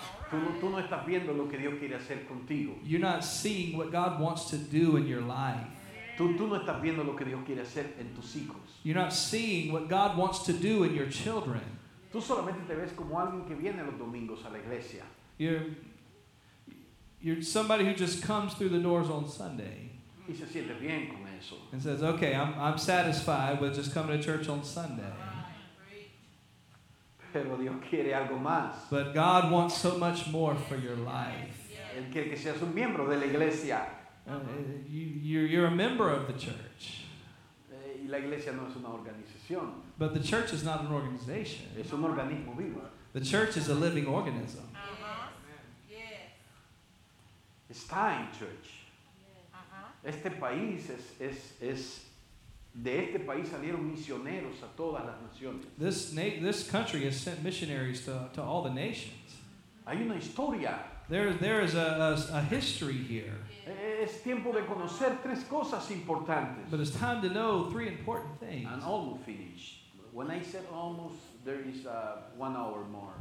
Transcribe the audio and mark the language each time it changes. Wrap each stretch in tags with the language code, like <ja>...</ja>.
<es>Tú no estás viendo lo que Dios quiere hacer contigo.</es> <en>You're not seeing what God wants to do in your life.</en> <es>Tú no estás viendo lo que Dios quiere hacer en tus hijos.</es> <en>You're not seeing what God wants to do in your children.</en> <es>Tú solamente te ves como alguien que viene los domingos a la iglesia.</es> <en>You're somebody who just comes through the doors on Sunday.</en> <es>Y se siente bien con eso.</es> <en>And says, okay, I'm satisfied with just coming to church on Sunday.</en> <es>Pero Dios quiere algo más.</es> <en>But God wants so much more for your life.</en> <es>Él quiere que seas un miembro de la iglesia.</es> <en>You're a member of the church.</en> <es>Y la iglesia no es una organización.</es> <en>But the church is not an organization.</en> <es>Es un organismo vivo.</es> <en>The church is a living organism. Yes. It's time, church. Yes.</en> <es>Este país es de este país salieron misioneros a todas las naciones.</es> <en>This country has sent missionaries to all the nations.</en> <es>Hay una historia.</es> <en>There is a history here.</en> <es>Es tiempo de conocer tres cosas importantes.</es> <en>But it's time to know three important things. I'm almost finished. When I said almost, there is 1 hour more.</en>